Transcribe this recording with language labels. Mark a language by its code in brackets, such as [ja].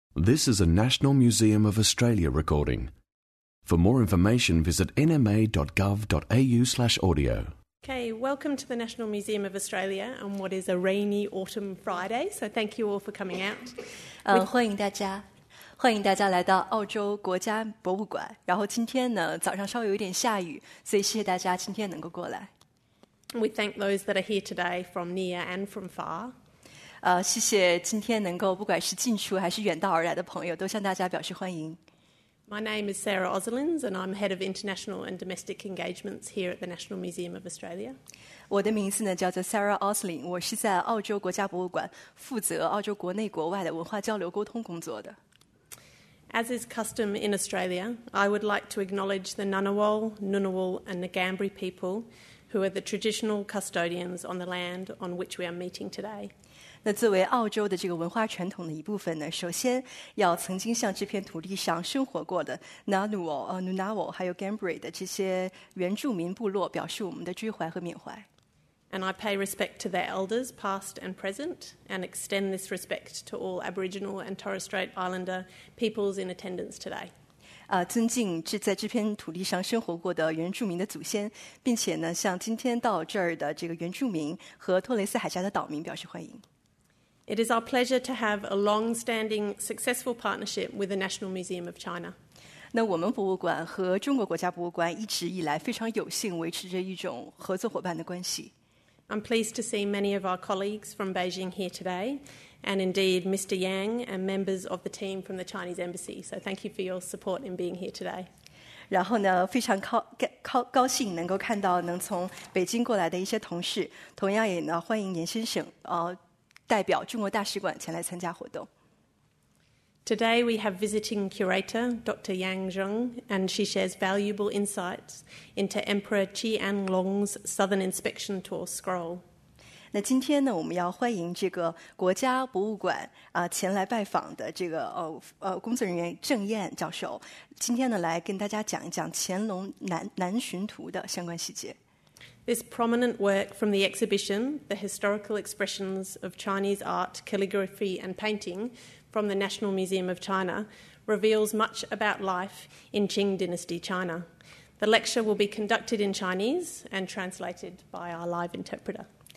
[en] This is a National Museum of Australia recording. For more information, visit nma.gov.au/audio. Okay, welcome to the National Museum of Australia on what is a rainy autumn Friday. So thank you all for coming out. [zh] 欢迎大家来到澳洲国家博物馆。然后今天呢，早上稍微有点下雨，所以谢谢大家今天能够过来。 [en] We thank those that are here today from near and from far. [zh] 谢谢今天能够不管是近处还是远道而来的朋友，都向大家表示欢迎。 [en] My name is Sarah Ozelins, and I'm head of international and domestic engagements here at the National Museum of Australia. [zh] 我的名字呢叫做 Sarah Ozelin， 我是在澳洲国家博物馆负责澳洲国内国外的文化交流沟通工作的。 [en] As is custom in Australia, I would like to acknowledge the Ngunnawal, Ngunnawal, and Ngambri people, who are the traditional custodians on the land on which we are meeting today. [zh] 那作为澳洲的这个文化传统的一部分呢，首先要曾经向这片土地上生活过的 Ngunnawal、Ngunnawal 还有 Ngambri 的这些原住民部落表示我们的追怀和缅怀。 [en] And I pay respect to their elders, past and present, and extend this respect to all Aboriginal and Torres Strait Islander peoples in attendance today. [zh] 尊敬在这片土地上生活过的原住民的祖先，并且呢，向今天到这儿的这个原住民和托雷斯海峡的岛民表示欢迎。 [en] It is our pleasure to have a long-standing, successful partnership with the National Museum of China. [zh] 那我们博物馆和中国国家博物馆一直以来非常有幸维持着一种合作伙伴的关系。 [en] I'm pleased to see many of our colleagues from Beijing here today, and indeed Mr. Yang and members of the team from the Chinese Embassy. So thank you for your support in being here today. [zh] 然后呢，非常高兴能够看到能从北京过来的一些同事，同样也呢欢迎严先生代表中国大使馆前来参加活动。 [en] Today we have visiting curator Dr. Yang Zheng, and she shares valuable insights into Emperor Qianlong's Southern Inspection Tour Scroll. [zh] 那今天呢，我们要欢迎这个国家博物馆前来拜访的这个工作人员郑燕教授，今天呢来跟大家讲一讲乾隆南巡图的相关细节。 [en] This prominent work from the exhibition, The Historical Expressions of Chinese Art, Calligraphy and Painting from the National Museum of China, reveals much about life in Qing Dynasty China. The lecture will be conducted in Chinese and translated by our live interpreter.